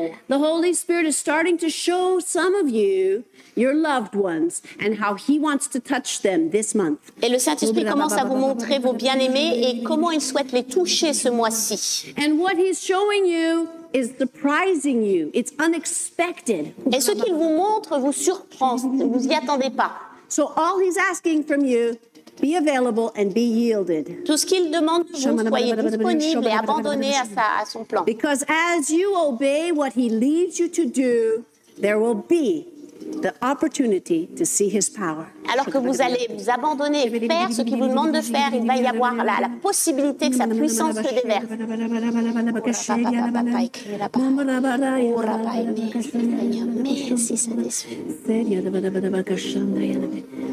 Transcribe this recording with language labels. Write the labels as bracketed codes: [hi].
[en] The Holy Spirit is starting to show some of you your loved ones and how he wants to touch them this month. [fr] Et le Saint-Esprit commence à vous montrer vos bien-aimés et comment il souhaite les toucher ce mois-ci. [en] And what he's showing you is surprising you. It's unexpected. [fr] Et ce qu'il vous montre vous surprend, vous y attendez pas. [en] So all he's asking from you, be available and be yielded. [fr] Tout ce qu'il demande, vous soyez disponible et abandonné à sa, à son plan. [en] Because as you obey what he leads you to do, there will be the opportunity to see his power. [fr] Alors que vous allez vous abandonner et faire ce qu'il vous demande de faire, il va y avoir la possibilité que sa puissance se déverse.